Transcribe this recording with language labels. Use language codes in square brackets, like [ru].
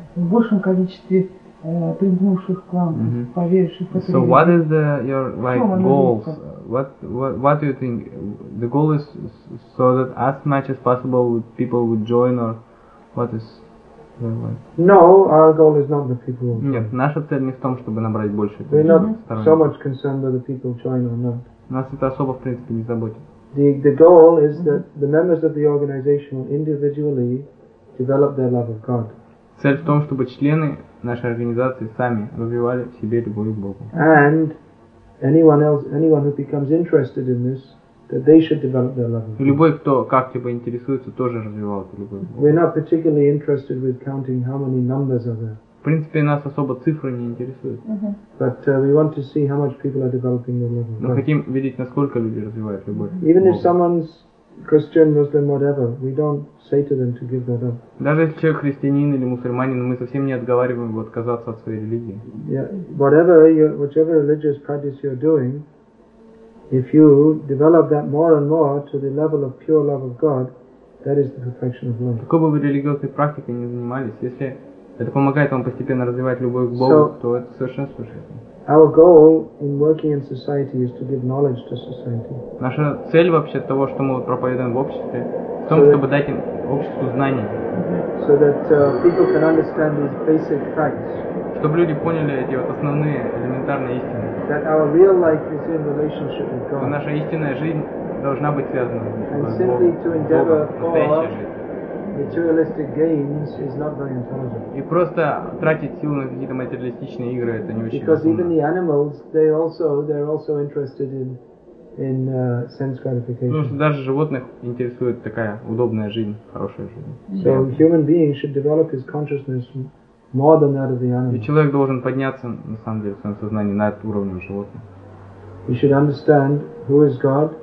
[ru] В большем количестве примкнувших к вам, поверивших в это. [en] So what is the your like goals? What do you think? The goal is so that as much as possible people would join, or what is No, our goal is not the people. [ru] Нет, наша цель не в том, чтобы набрать больше. [en] We're not so much concerned whether people join or not. [ru] Нас это особо в принципе не заботит. [en] The goal is that the members of the organization will individually develop their love of God. [ru] Цель в том, чтобы члены нашей организации сами развивали в себе любовь к Богу. [en] And anyone who becomes interested in this, that they should develop their love of God. [ru] Любой, кто как-либо интересуется, тоже развивал эту любовь к Богу. [en] We're not particularly interested with counting how many numbers are there. [ru] В принципе, нас особо цифры не интересуют. [en] But we want to see how much people are developing their love. [ru] Мы хотим видеть, насколько люди развивают любовь. [en] Even if someone's Christian, Muslim, whatever, we don't say to them to give that up. [ru] Даже если человек христианин или мусульманин, мы совсем не отговариваем его отказаться от своей религии. [en] Yeah, whatever religious practice you're doing, If you develop that more and more to the level of pure love of God, that is the perfection of life. [ru] Какой бы вы религиозной практикой ни занимались, если это помогает вам постепенно развивать любовь к Богу, то это совершенство жизни. [en] Our goal in working in society is to give knowledge to society. [ru] Наша цель вообще того, что мы проповедуем в обществе, в том, чтобы дать обществу знания. [en] So that people can understand these basic facts. [ru] Чтобы люди поняли эти вот основные элементарные истины. [en] That our real life is in relationship with God. [ru] Что наша истинная жизнь должна быть связана с Богом. [en] And simply to endeavor for materialistic gains is not very intelligent. [ru] И просто тратить силы на какие-то материалистичные игры, это не очень. [en] Because even the animals, they're also interested in sense gratification. [ru] Ну, даже животных интересует такая удобная жизнь, хорошая жизнь. [en] So human beings should develop his consciousness. More than that of the animal. [ru] И человек должен подняться, на самом деле, в своем сознании над уровнем животных. [en] He should understand who is God.